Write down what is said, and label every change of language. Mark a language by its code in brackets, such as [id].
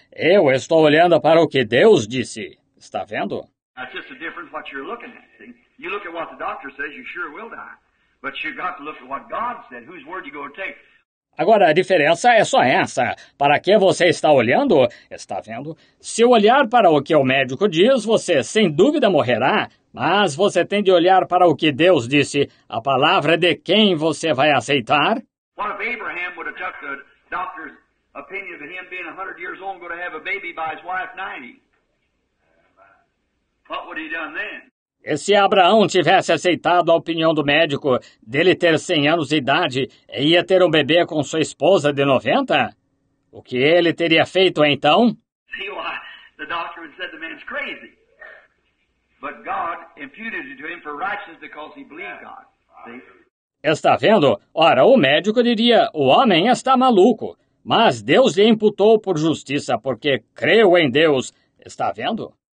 [pt] Eu estou olhando para o que Deus disse. Está vendo? [en] That's just the difference what you're looking at. See? You look at what the doctor says, you sure will die. But you've got to look at what God said. Whose word you going to take? [pt] Agora, a diferença é só essa. Para que você está olhando? Está vendo? Se olhar para o que o médico diz, você sem dúvida morrerá. Mas você tem de olhar para o que Deus disse. A palavra de quem você vai aceitar? [en] What if Abraham would have took the doctor's opinion of him being 100 years old and going to have a baby by his wife 90? What would he have done then? [pt] E se Abraão tivesse aceitado a opinião do médico dele ter 100 anos de idade e ia ter um bebê com sua esposa de 90? O que ele teria feito então? [en] See why the doctor had said the man's crazy. But God imputed it to him for righteousness because he believed God. See? [pt] Está vendo? Ora, o médico diria, o homem está maluco, mas Deus lhe imputou por justiça, porque creu em Deus. Está vendo?